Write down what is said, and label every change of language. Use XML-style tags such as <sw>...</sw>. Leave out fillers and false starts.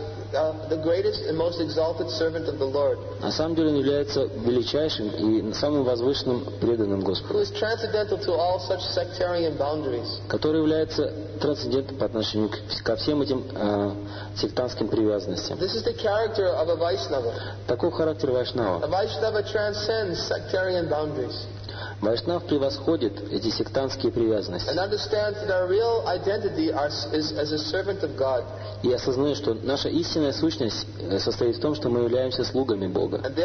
<ru>На самом деле он является величайшим и самым возвышенным преданным Господу, который является трансцендентным по отношению ко всем этим сектантским привязанностям.</ru> <en>This is the character of a Vaishnava.</en> <ru>Такой характер Вайшнава.</ru> <en>A Vaishnava transcends sectarian boundaries.</en> <ru>Вайшнав превосходит эти сектантские привязанности.</ru> <en>And understands that our real identity is as a servant of God.</en> <ru>И осознаю, что наша истинная сущность состоит в том, что мы являемся слугами Бога.</ru>